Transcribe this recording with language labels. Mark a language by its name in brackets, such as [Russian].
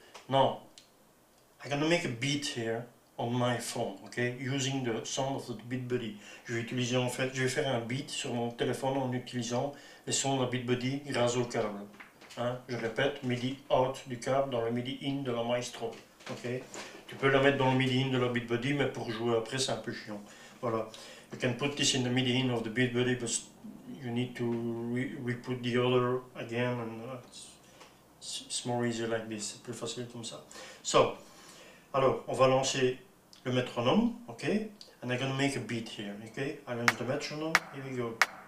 [English] Now, I'm gonna make a beat here on my phone, ok, using the sound of the Beatbuddy. [French] Je vais utiliser en fait, je vais faire un beat sur mon téléphone en utilisant les sons de la Beatbuddy grâce au câble. Hein? Je répète, MIDI out du câble dans le MIDI in de la Maestro, ok. Tu peux la mettre dans le MIDI in de la Beatbuddy, mais pour jouer après, c'est un peu chiant. Voilà. [English] You can put this in the MIDI in of the Beatbuddy, but you need to re-put the other again, and it's more easy like this. [French] C'est plus facile comme ça. So, alors, on va lancer le métronome, ok? [English] And I'm gonna make a beat here, ok? I want the metronome, here we go.